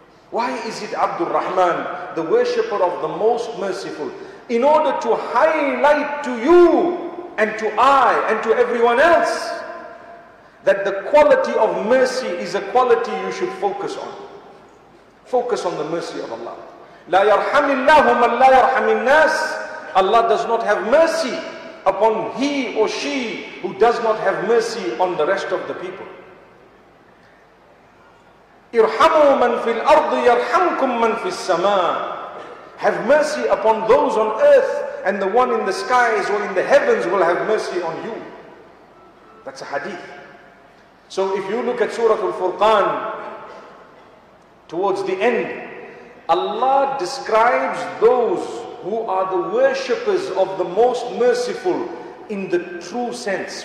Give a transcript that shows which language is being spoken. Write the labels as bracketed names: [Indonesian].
[English] Why is it Abdul Rahman, the worshipper of the most merciful? In order to highlight to you and to I and to everyone else that the quality of mercy is a quality you should focus on. Focus on the mercy of Allah. [Arabic] لا يرحم الله من لا يرحم الناس. [English] Allah does not have mercy upon he or she who does not have mercy on the rest of the people. [Arabic] إرحموا من في الأرض يرحمكم من في السماء. [English] Have mercy upon those on earth, and the one in the skies or in the heavens will have mercy on you. That's a hadith. So if you look at Surah Al-Furqan, towards the end, Allah describes those who are the worshippers of the most merciful in the true sense.